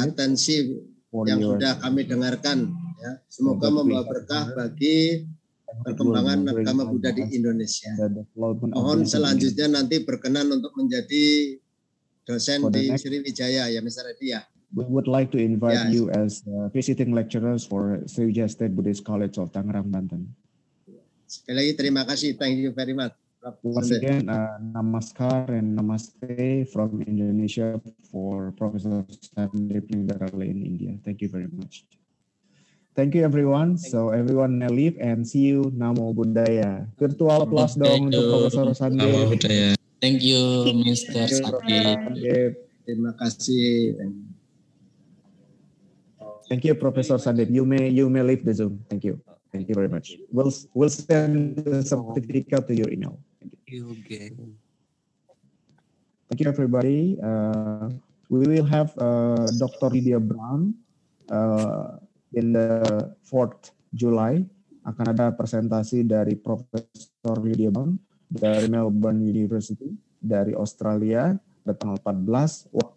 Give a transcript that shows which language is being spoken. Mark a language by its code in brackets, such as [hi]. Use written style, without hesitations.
[id] Atensi yang sudah kami dengarkan, ya. Semoga membawa berkah bagi perkembangan agama Buddha di Indonesia. Mohon selanjutnya nanti berkenan untuk menjadi dosen di Sriwijaya, ya, Mr. Reddy, ya. [en] We would like to invite you as visiting lecturers for Sriwijaya State Buddhist College of Tangerang, Banten. [id] Sekali lagi terima kasih, [en] thank you very much. Once again, namaskar and namaste from Indonesia for Professor Sandeep Negarali in India. Thank you very much. Thank you everyone. Everyone may leave and see you. Namo Buddhaya. Virtual applause [id] dong untuk [en] Professor Sandeep. Namo Buddhaya. Thank you, Mr. Sandeep. [id] Terima kasih. [en] Thank you, Professor Sandeep. You may leave the Zoom. Thank you. Thank you very much. We'll send the certificate to your email. Okay. Thank you everybody. We will have Dr. Lydia Brown in the fourth [id] Juli akan ada presentasi dari Profesor Lydia Brown dari Melbourne University dari Australia pada tanggal 14.